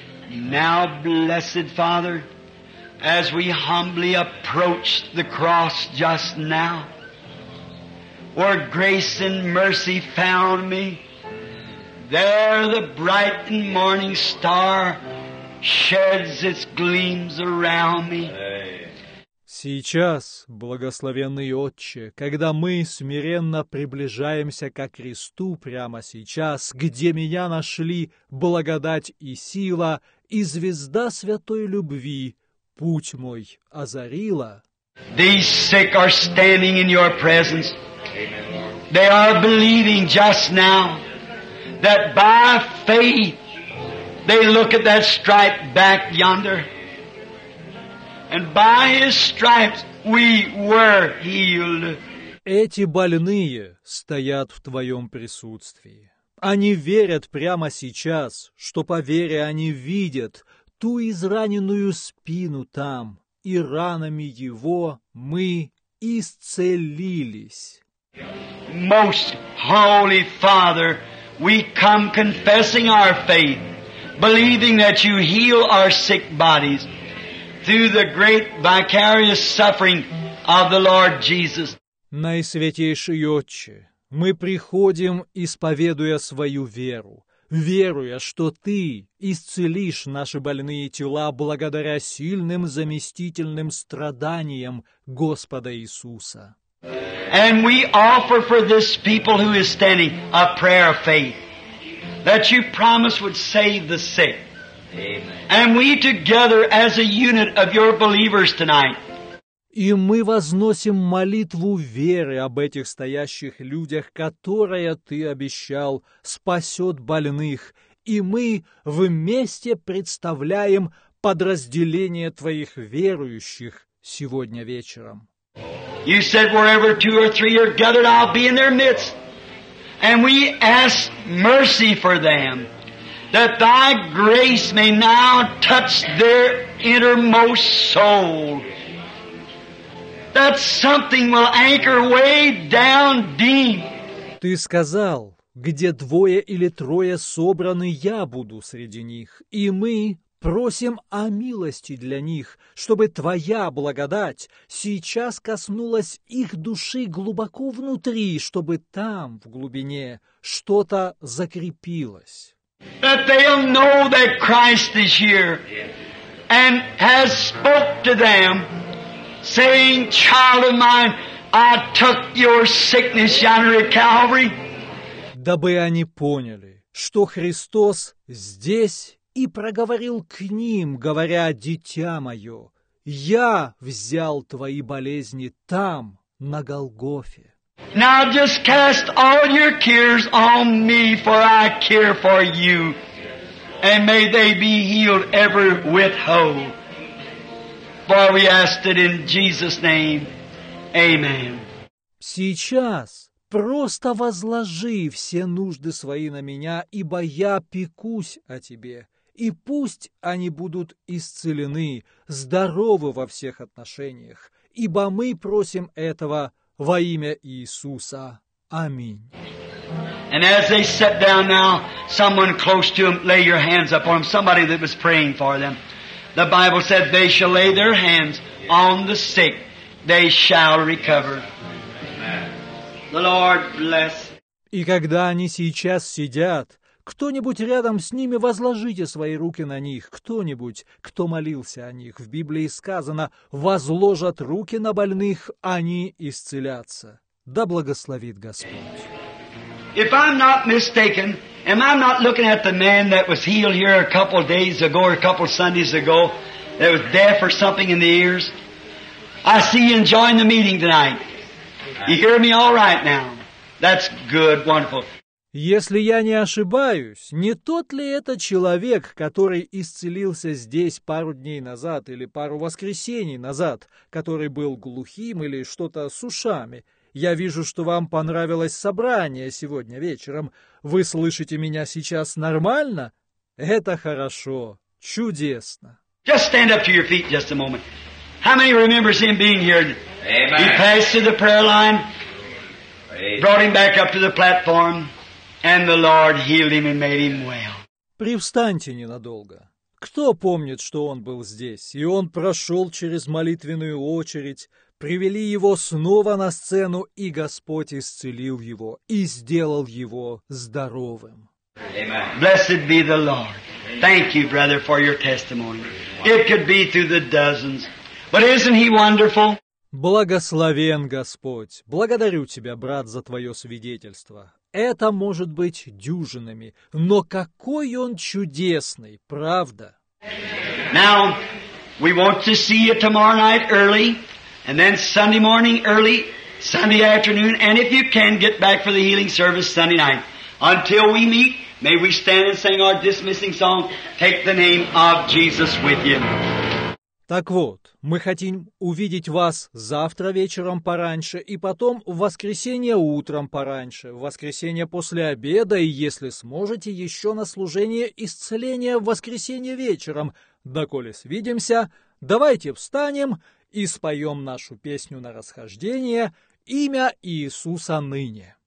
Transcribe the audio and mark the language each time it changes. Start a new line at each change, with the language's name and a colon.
English: Now, blessed Father, as we humbly approach the cross just now, where grace and mercy found me, there the bright and morning star sheds its gleams around me.
Russian: Сейчас, благословенный Отче, когда мы смиренно приближаемся ко Кресту прямо сейчас, где меня нашли благодать и сила, и звезда святой любви путь мой озарила.
English: These sick are standing in your presence. They are believing just now that by faith they look at that stripe back yonder. And by his stripes we were healed.
Russian: Эти больные стоят в твоем присутствии. Они верят прямо сейчас, что по вере они видят ту израненную спину там, и ранами его мы исцелились.
English: Most holy Father, we come confessing our faith, believing that you heal our sick bodies through the great vicarious suffering of the Lord Jesus.
Russian: Наисвятейший Отче, мы приходим, исповедуя свою веру, веруя, что Ты исцелишь наши больные тела благодаря сильным заместительным страданиям Господа Иисуса.
English: And we offer for this people who is standing a prayer of faith that you promised would save the sick. And we together as a unit of your believers tonight.
Russian: И мы возносим молитву веры об этих стоящих людях, которые ты обещал спасет больных, и мы вместе представляем подразделение твоих верующих сегодня вечером.
English: You said wherever two or three are gathered, I'll be in their midst. And we ask mercy for them, that thy grace may now touch their innermost soul, that something will anchor way down deep.
Russian: Ты сказал, где двое или трое собраны, я буду среди них. И мы просим о милости для них, чтобы твоя благодать сейчас коснулась их души глубоко внутри, чтобы там, в глубине, что-то закрепилось.
English: That they'll know that Christ is here and has spoke to them, saying, child of mine, I took your sickness yonder at Calvary.
Russian: Дабы они поняли, что Христос здесь и проговорил к ним, говоря, дитя мое, я взял твои болезни там, на Голгофе.
English: Now just cast all your cares on me, for I care for you, and may they be healed every whit whole. For we ask it in Jesus' name. Amen.
Russian: Сейчас просто возложи все нужды свои на меня, ибо я пекусь о тебе, и пусть они будут исцелены, здоровы во всех отношениях, ибо мы просим этого во имя Иисуса. Аминь.
English: And as they sat down now, someone close to them lay your hands upon them, somebody that was praying for them. The Bible said they shall lay their hands on the sick, they shall recover. Amen. The Lord bless.
Russian: И когда они сейчас сидят, кто-нибудь рядом с ними, возложите свои руки на них. Кто-нибудь, кто молился о них. В Библии сказано, возложат руки на больных, они исцелятся. Да благословит Господь.
English: if I'm not mistaken, am I not looking at the man that was healed here a couple of days ago or a couple of Sundays ago that was deaf or something in the ears? I see you enjoying the meeting tonight. You hear me all right now. That's good, wonderful.
Russian: Если я не ошибаюсь, не тот ли это человек, который исцелился здесь пару дней назад или пару воскресений назад, который был глухим или что-то с ушами? Я вижу, что вам понравилось собрание сегодня вечером. Вы слышите меня сейчас нормально? Это хорошо. Чудесно.
English: Just stand up to your feet just a moment. How many remembers him being here? Amen. He passed through the prayer line, brought him back up to the platform, and the Lord healed him and made him well.
Russian: Привстаньте ненадолго. Кто помнит, что он был здесь, и он прошел через молитвенную очередь, привели его снова на сцену, и Господь исцелил его и сделал его здоровым.
English: Amen. Blessed be the Lord. Thank you, brother, for your testimony. It could be through the dozens. But isn't he wonderful?
Russian: Благословен Господь. Благодарю тебя, брат, за твое свидетельство. Это может быть дюжинами, но какой он чудесный, правда?
English: Now, we want to see you tomorrow night early, and then Sunday morning early, Sunday afternoon, and if you can, get back for the healing service Sunday night. Until we meet, may we stand and sing our dismissing song, Take the Name of Jesus with you.
Russian: Так вот, мы хотим увидеть вас завтра вечером пораньше и потом в воскресенье утром пораньше, в воскресенье после обеда и, если сможете, еще на служение исцеления в воскресенье вечером. Доколе свидимся, давайте встанем и споем нашу песню на расхождение «Имя Иисуса ныне».